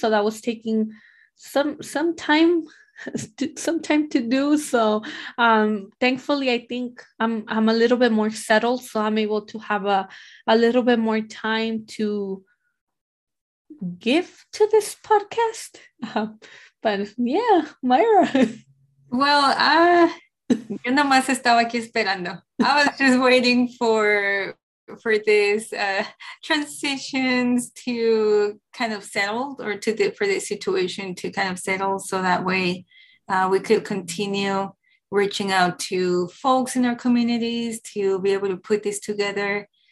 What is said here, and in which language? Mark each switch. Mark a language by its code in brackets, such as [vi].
[en] So that was taking some time to do. So thankfully, I think I'm a little bit more settled, so I'm able to have a little bit more time to give to this podcast. But yeah, Myra. Well, [es] yo nomás estaba aquí esperando. [en] I was just waiting for this transitions to kind of settle, or to the, for the situation to kind of settle, so that way we could continue reaching out to folks in our communities to be able to put this together.